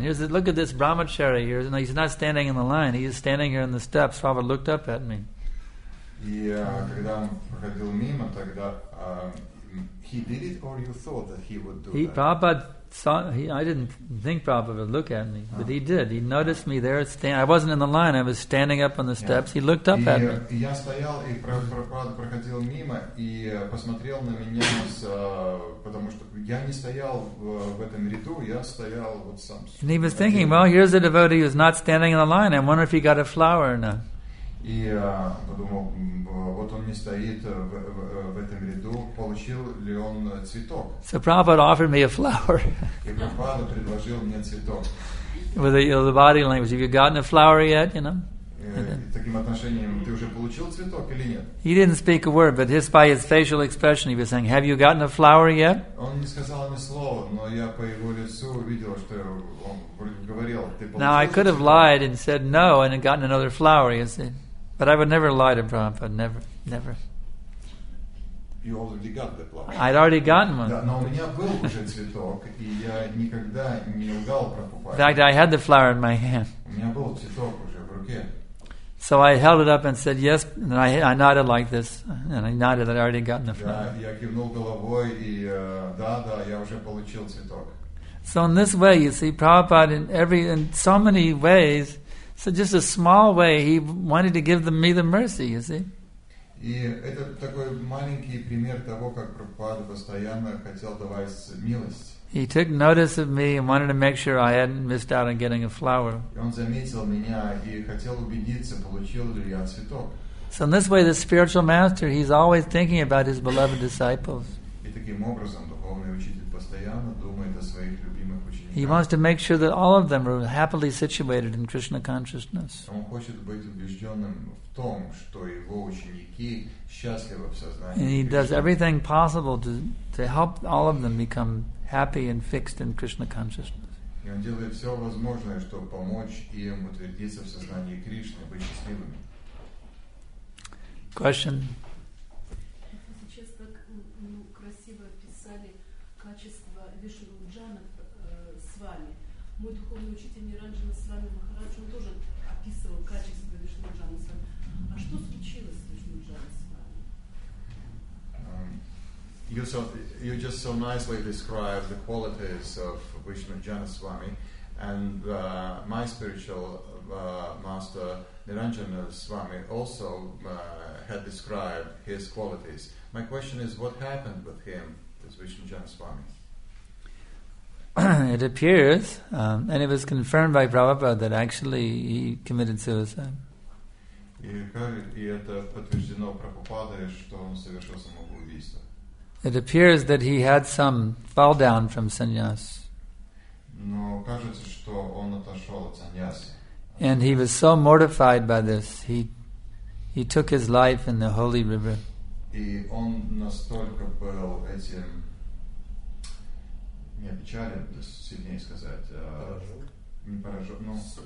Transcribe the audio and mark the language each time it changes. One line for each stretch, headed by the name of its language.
English: Here's the, look at this brahmachari here. No, he's not standing in the line. He's standing here in the steps. Prabhupada looked up at me. He did it, or you thought that he would do he, that? Prabhupada saw, he, I didn't think Prabhupada would look at me, but he did. He noticed me there. I wasn't in the line. I was standing up on the steps. Yeah. He looked up at me.
Russian: Я стоял, и Прабхупада проходил мимо, и посмотрел на меня, потому что я не стоял в этом ряду, я стоял вот сам.
English: And he was thinking, well, here's a devotee who's not standing in the line. I wonder if he got a flower or not.
Russian: И подумал, вот он не стоит в этом ряду, получил ли он цветок?
English: So Prabhupada offered me a flower.
Russian: И Прабхупада предложил мне цветок.
English: With the body language, have you gotten a flower yet? You know.
Russian: Таким отношением, ты уже получил цветок или нет?
English: He didn't speak a word, but just by his facial expression, he was saying, "Have you gotten a flower yet?"
Russian: Он не сказал ни слова, но я по его лицу видел, что он говорил.
English: Now I could have lied and said no and had gotten another flower, you see, but I would never lie to Prabhupada, never, never. You already got the flower. I'd already gotten one.
Russian: Да, но у меня был уже цветок, и я никогда не лгал Прабхупаде.
English: In fact, I had the flower in my hand.
Russian: У меня был цветок уже в руке.
English: So I held it up and said yes, and I nodded like this, and I nodded that I already gotten the flower.
Russian: Я кивнул головой и да, я уже получил цветок.
English: So in this way, you see, Prabhupada in so many ways, so just a small way, he wanted to give me the mercy, you see.
Russian: И это такой маленький пример того, как Прабхупада постоянно хотел давать милость.
English: He took notice of me and wanted to make sure I hadn't missed out on getting a flower.
Russian: Он заметил меня и хотел убедиться, получил ли я цветок.
English: So in this way, the spiritual master, he's always thinking about his beloved disciples.
Russian: И таким образом, духовный учитель постоянно думает о своих любимых учениках.
English: He wants to make sure that all of them are happily situated in Krishna consciousness.
Russian: Он хочет быть убежденным в том, что его ученики счастливы в сознании.
English: And he does everything possible to help all of them become happy and fixed in Krishna consciousness.
Russian: И он делает все возможное, чтобы помочь им утвердиться в сознании Кришны, быть счастливыми.
English: Question.
Russian: Сейчас так красиво описали качество Вишнуджана с вами. Мой духовный учитель Ниранджана с вами Махарадж, он тоже описывал качество Вишнуджана с вами. А что случилось с Вишнуджаном с вами?
English: You just so nicely described the qualities of Vishnujana Swami, and my spiritual master Niranjana Swami also had described his qualities. My question is, what happened with him, this Vishnujana Swami? It appears, and it was confirmed by Prabhupada, that actually he committed suicide.
Russian: И это подтверждено Прабхупадой, что он совершил самоубийство.
English: It appears that he had some fall down from sannyas.
Russian: Но кажется, что он отошел от sannyas.
English: And he was so mortified by this, he took his life in the holy river.
Russian: И он настолько был этим не опечален, сильнее сказать, не поражен, но